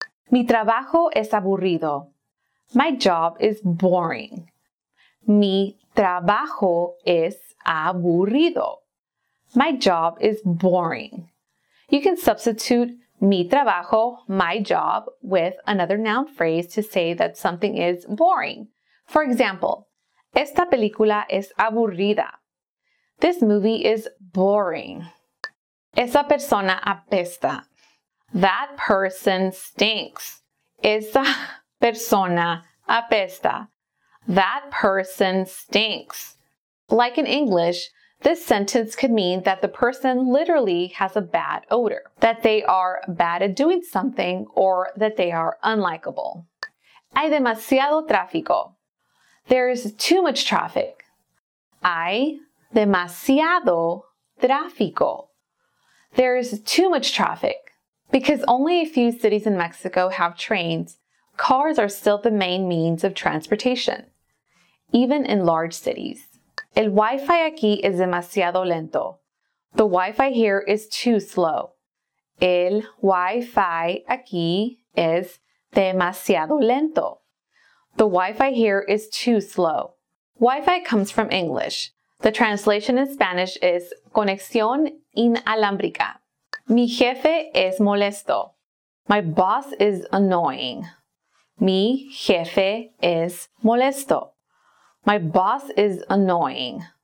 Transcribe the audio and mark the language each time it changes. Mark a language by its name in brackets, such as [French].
[Spanish] Mi trabajo es aburrido. [English] My job is boring. [Spanish] Mi trabajo es aburrido. [English] My job is boring. You can substitute mi trabajo, my job, with another noun phrase to say that something is boring. For example, [Spanish] esta película es aburrida. [English] This movie is boring. [Spanish] Esa persona apesta. [English] That person stinks. Esa persona apesta. That person stinks. Like in English, this sentence could mean that the person literally has a bad odor, that they are bad at doing something, or that they are unlikable. [Spanish] Hay demasiado tráfico. [English] There's too much traffic. [Spanish] Hay demasiado tráfico. [English] There's too much traffic. Because only a few cities in Mexico have trains, cars are still the main means of transportation, even in large cities. [Spanish] El Wi-Fi aquí es demasiado lento. [English] The Wi-Fi here is too slow. [Spanish] El Wi-Fi aquí es demasiado lento. [English] The Wi-Fi here is too slow. Wi-Fi comes from English. The translation in Spanish is conexión inalámbrica. [Spanish] Mi jefe es molesto. [English] My boss is annoying. [Spanish] Mi jefe es molesto. [English] My boss is annoying.